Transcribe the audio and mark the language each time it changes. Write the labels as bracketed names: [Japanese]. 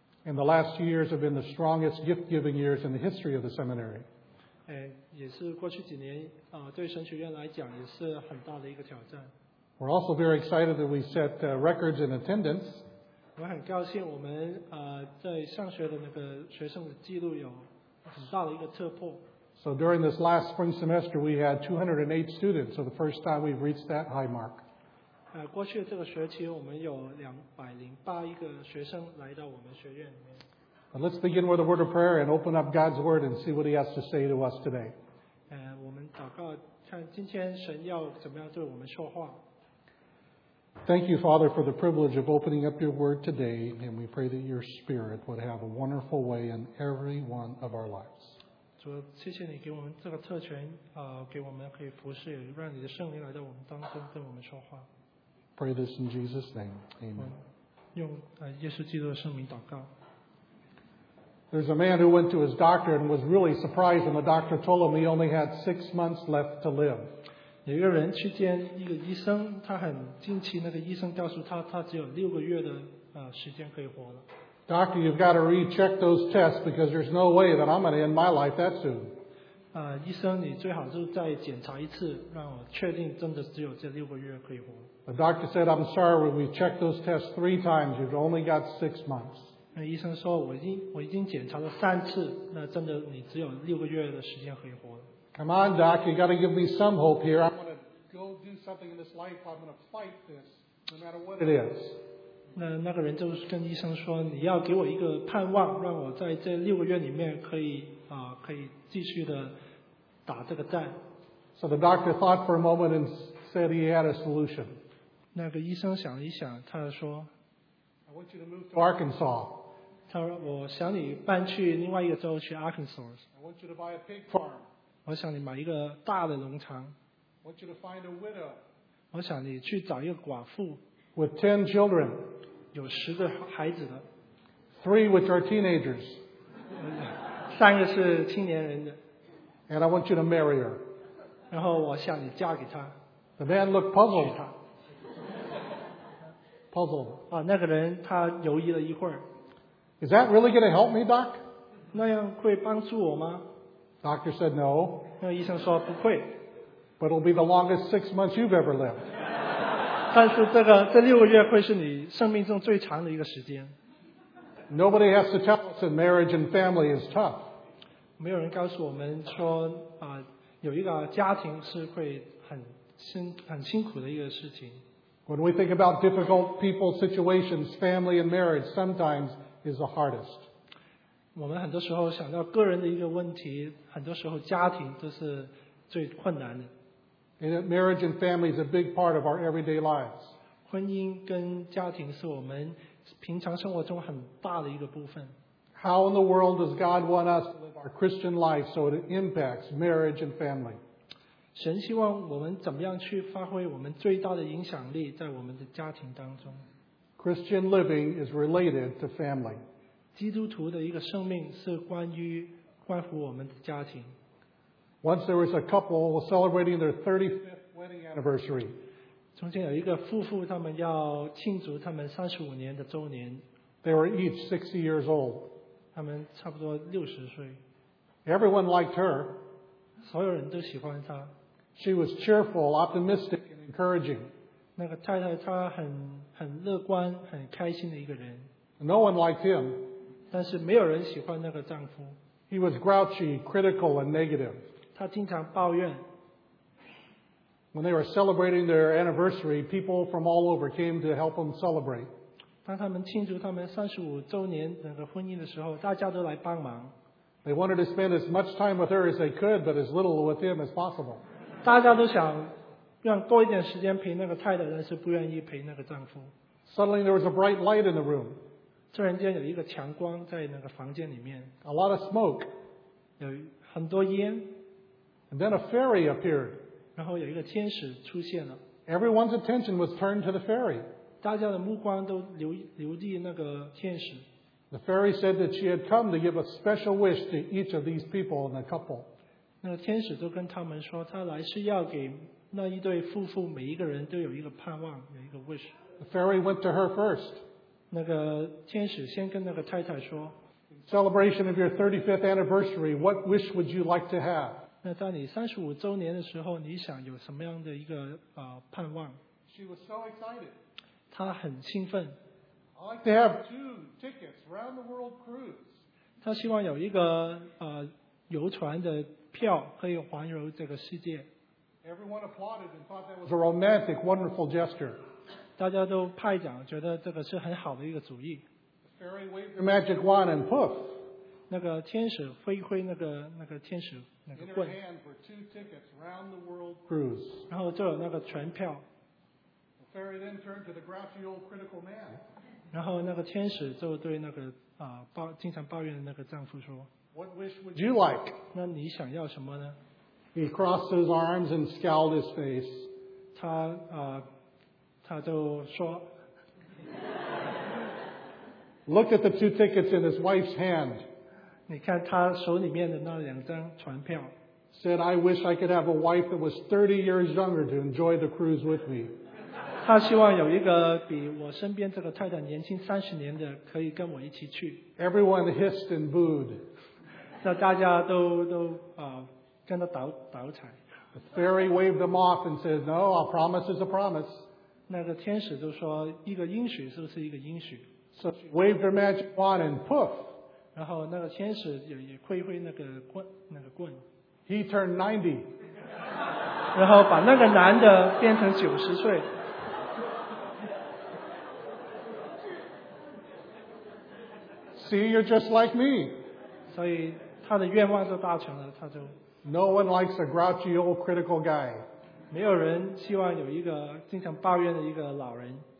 [English] And the last 2 years have been the strongest gift-giving years in the history of the seminary. [Chinese] 也是过去几年对神学院来讲也是很大的一个挑战。 [English] We're also very excited that we set records in attendance. [Chinese] 我很高兴我们在上学的那个学生的记录有很大的一个突破。 [English] So during this last spring semester, we had 208 students, so the first time we've reached that high mark. [Chinese] 过去这个学期我们有208一个学生来到我们学院里面。 [English] But let's begin with a word of prayer and open up God's word and see what he has to say to us today. [Chinese] 我们祷告看今天神要怎么样对我们说话。 [English] Thank you, Father, for the privilege of opening up your word today, and we pray that your spirit would have a wonderful way in every one of our lives. [Chinese] 主，谢谢你给我们这个特权给我们可以服侍，让你的圣灵来到我们当中对我们说话。 [English] Pray this in Jesus' name. Amen. [Chinese] 用耶稣基督的圣名祷告。 [English] There's a man who went to his doctor and was really surprised when the doctor told him he only had 6 months left to live. [Chinese] 有一个人去见一个医生，他很惊奇，那个医生告诉他，他只有六个月的时间可以活了。 [English] Doctor, you've got to recheck those tests because there's no way that I'm going to end my life that soon. [Chinese] 医生，你最好就再检查一次，让我确定真的只有这六个月可以活。 [English] The doctor said, I'm sorry, when we checked those tests 3 times, you've only got 6 months. [Chinese] 那医生说我已经检查了三次，那真的你只有六个月的时间可以活了。 [English] Come on, doc, you got to give me some hope here. I'm going to go do something in this life. I'm going to fight this, no matter what it is. [Chinese] 那个人就跟医生说，你要给我一个盼望，让我在这六个月里面可以继续的打这个战。 [English] So the doctor thought for a moment and said he had a solution. [Chinese] 那个医生想一想，他说 [English] ，I want you to move to Arkansas. [Chinese] 他说我想你搬去另外一个州去 Arkansas. [English] I want you to buy a pig farm. [Chinese] 我想你买一个大的农场。 [English] I want you to find a widow. [Chinese] 我想你去找一个寡妇。 [English] With 10 children. [Chinese] 有十个孩子的。 [English] 3 which are teenagers. [Chinese] 三个是青年人的。 [English] And I want you to marry her. [Chinese] 然后我想你嫁给他。 [English] The man looked puzzled. Puzzled. [Chinese] 啊，那个人他犹豫了一会儿。 [English] Is that really going to help me, Doc? [Chinese] 那样会帮助我吗？ [English] Doctor said no. [Chinese] 那医生说不会。 [English] But it'll be the longest 6 months you've ever lived. [Chinese] 但是这个这六个月会是你生命中最长的一个时间。 [English] Nobody has to tell us that marriage and family is tough. [Chinese] 没有人告诉我们说啊，有一个家庭是会很辛苦的一个事情。 [English] When we think about difficult people, situations, family and marriage, sometimes. Is the hardest. [Chinese] 我们很多时候想到个人的一个问题，很多时候家庭都是最困难的。 [English] And marriage and family is a big part of our everyday lives. [Chinese] 婚姻跟家庭是我们平常生活中很大的一个部分。 [English] How in the world does God want us to live our Christian life so it impacts marriage and family? [Chinese] 神希望我们怎么样去发挥我们最大的影响力在我们的家庭当中。 [English] Christian living is related to family. [Chinese] 基督徒的一个生命是关乎我们的家庭。 [English] Once there was a couple celebrating their 35th wedding anniversary. [Chinese] 中间有一个夫妇，他们要庆祝他们35年的周年。 [English] They were each 60 years old. [Chinese] 他们差不多60岁。 [English] Everyone liked her. [Chinese] 所有人都喜欢她。 [English] She was cheerful, optimistic, and encouraging. [Chinese] 那个太太她很乐观很开心的一个人。 [English] No one liked him. [Chinese] 但是没有人喜欢那个丈夫。 [English] He was grouchy, critical, and negative. [Chinese] 他经常抱怨。 [English] When they were celebrating their anniversary, people from all over came to help them celebrate. [Chinese] 当他们庆祝他们35周年那个婚姻的时候，大家都来帮忙。 [English] They wanted to spend as much time with her as they could, but as little with him as possible. [Chinese] 大家都想让多一点时间陪那个太太，但是不愿意陪那个丈夫。 [English] Suddenly there was a bright light in the room. [Chinese] 突然间有一个强光在那个房间里面。 [English] A lot of smoke. [Chinese] 有很多烟。 [English] And then a fairy appeared. [Chinese] 然后有一个天使出现了。 [English] Everyone's attention was turned to the fairy. [Chinese] 大家的目光都留意那个天使。 [English] The fairy said that she had come to give a special wish to each of these people and the couple. [Chinese] 那个天使都跟他们说，他来是要给那一对夫妇每一个人都有一个盼望，有一个 wish。 [English] The fairy went to her first. [Chinese] 那个天使先跟那个太太说。 [English] In celebration of your 35th anniversary, what wish would you like to have? [Chinese] 那在你35周年的时候，你想有什么样的一个盼望？ [English] She was so excited. [Chinese] 她很兴奋。 [English] I'd like to have 2 tickets round the world cruise. [Chinese] 她希望有一个游船的票，可以环游这个世界。 [English] Everyone applauded and thought that was a romantic, wonderful gesture. [Chinese] 大家都拍掌，觉得这个是很好的一个主意。 [English] The fairy waved the magic wand and poof. [Chinese] 那个天使挥挥那个天使那个棍。 [English] In her hand were 2 tickets round the world cruise. [Chinese] 然后就有那个船票。 [English] The fairy then turned to the grouchy old critical man. [Chinese] 然后那个天使就对那个经常抱怨的那个丈夫说。 [English] What wish would you like? [Chinese] 那你想要什么呢？ [English] He crossed his arms and scowled his face. [Chinese] 他就说 [English] looked at the 2 tickets in his wife's hand. [Chinese] 你看他手里面的那两张船票。 [English] Said, I wish I could have a wife that was 30 years younger to enjoy the cruise with me. [Chinese] 他希望有一个比我身边这个太太年轻30年的可以跟我一起去。 [English] Everyone hissed and booed. [Chinese] 那大家都跟他倒彩。 [English] The fairy waved them off and said, No, a promise is a promise. [Chinese] 那个天使就说一个应许就是一个应许。 [English] So she waved her magic wand and poof. [Chinese] 然后那个天使也挥挥那个棍。 [English] He turned 90. [Chinese] 然后把那个男的变成90岁。 [English] See, you're just like me. [Chinese] 所以他的愿望就达成了，他就。 [English] No one likes a grouchy old critical guy. [Chinese] 没有人希望有一个经常抱怨的一个老人。